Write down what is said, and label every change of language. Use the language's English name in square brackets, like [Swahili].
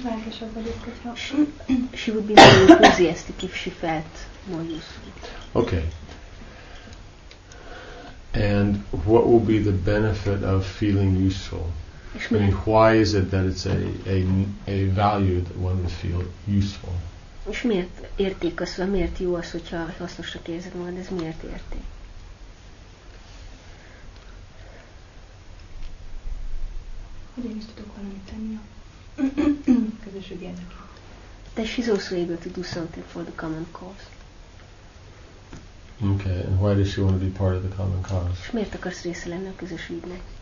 [English] She would be more enthusiastic if she felt more useful. Okay. And what will be the benefit of feeling useful? I mean, why is it that it's a value that one would feel useful? [Hungarian] És miért érték az, vagy miért jó az, hogyha hasznosnak érzed magad, ez miért érték? Hogy én is tudok valamit tenni a közösség érdekében. [English] De she's also able to do something for the common cause. Okay, and why does she want to be part of the common cause? [Hungarian] És miért akarsz része lenni a közösségnek?